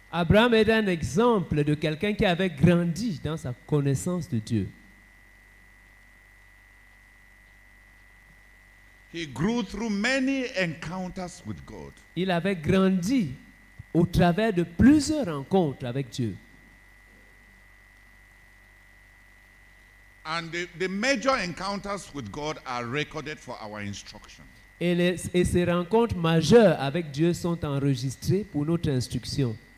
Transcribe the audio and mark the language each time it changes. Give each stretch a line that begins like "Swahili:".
French: Abraham est un exemple de quelqu'un qui avait grandi dans sa connaissance de Dieu.
English: He grew through many encounters with God.
French: Il avait grandi au travers de plusieurs rencontres avec Dieu.
English: And the major encounters with God are recorded for our instruction.
French: Et ces rencontres majeures avec Dieu sont enregistrées pour notre instruction.